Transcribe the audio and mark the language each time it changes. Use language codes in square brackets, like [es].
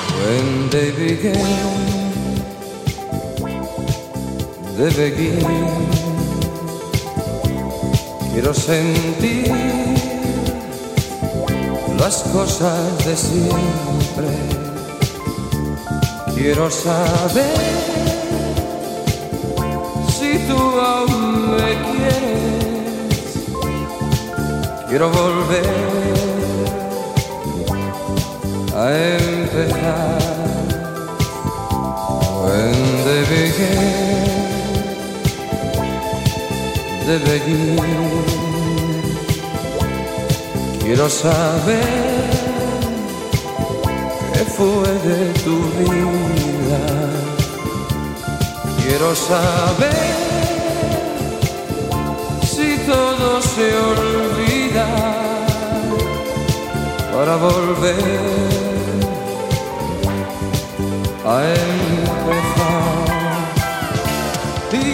[en] When they begin, they begin. [es] Quiero sentir las cosas de siempre. Quiero saber si tú aún me quieres. Quiero volver a empezar. [en] When they begin, they begin. [es] Quiero saber qué fue de tu vida. Quiero saber si todo se olvida para volver a empezar.